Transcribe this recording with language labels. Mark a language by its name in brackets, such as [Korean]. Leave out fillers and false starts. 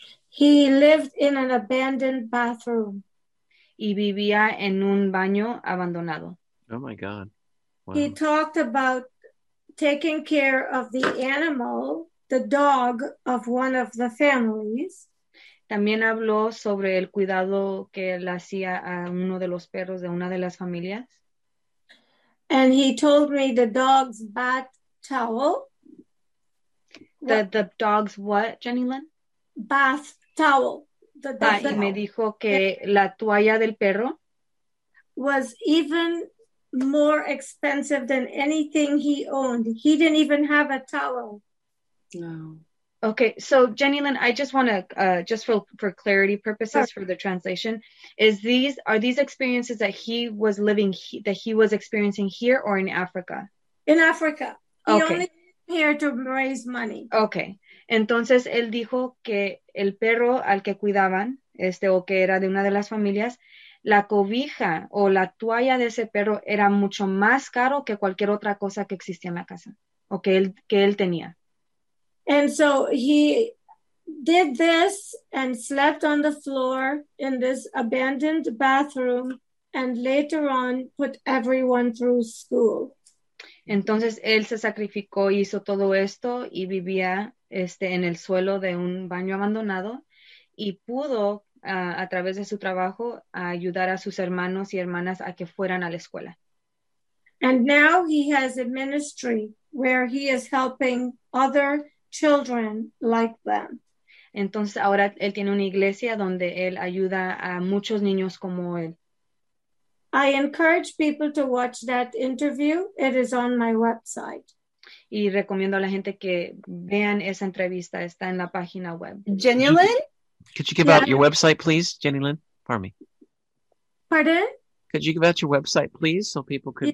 [English] He lived in an abandoned bathroom. [Spanish] Y vivía en un baño abandonado. [English] Oh my God. Wow. He talked about taking care of the animal, the dog of one of the families. [Spanish] También habló sobre el cuidado que él hacía a uno de los perros de una de las familias. [English] And he told me the dog's bath towel. The dog's what, Jenny Lynn? Bath towel. [Spanish] Y me dijo que la toalla del perro [English] was even more expensive than anything he owned. He didn't even have a towel. No. Okay, so Jenny Lynn, I just want to, just for clarity purposes, sure, for the translation, are these experiences that he was living, that he was experiencing here or in Africa? In Africa. Okay. He only came here to raise money. Okay. [Spanish] Entonces, él dijo que el perro al que cuidaban, o que era de una de las familias, la cobija o la toalla de ese perro era mucho más caro que cualquier otra cosa que existía en la casa o que él tenía. [English] And so he did this and slept on the floor in this abandoned bathroom and later on put everyone through school. [Spanish] Entonces él se sacrificó, hizo todo esto y vivía en el suelo de un baño abandonado y pudo a través de su trabajo ayudar a sus hermanos y hermanas a que fueran a la escuela. [English] And now he has a ministry where he is helping other children like them. [Spanish] Entonces ahora él tiene una iglesia donde él ayuda a muchos niños como él. [English] I encourage people to watch that interview. It is on my website. [Spanish] Y recomiendo a la gente que vean esa entrevista. Está en la página web. [English] Jenny Lynn? Could you give out your website, please, Jenny Lynn? Pardon me. Pardon? Could you give out your website, please, so people could...